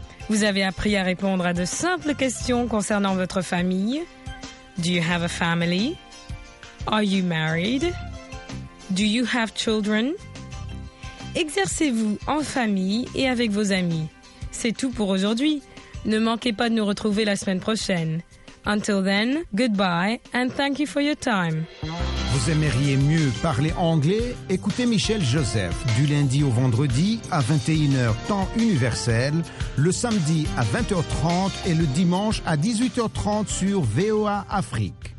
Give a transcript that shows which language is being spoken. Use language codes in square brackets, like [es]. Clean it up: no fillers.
[fr] Vous avez appris à répondre à de simples questions concernant votre famille. [en] Do you have a family? Are you married? Do you have children? [fr] Exercez-vous en famille et avec vos amis. C'est tout pour aujourd'hui. Ne manquez pas de nous retrouver la semaine prochaine. [en] Until then, goodbye and thank you for your time. [fr] Vous aimeriez mieux parler anglais? Écoutez Michel Joseph du lundi au vendredi à 21h temps universel, le samedi à 20h30 et le dimanche à 18h30 sur VOA Afrique.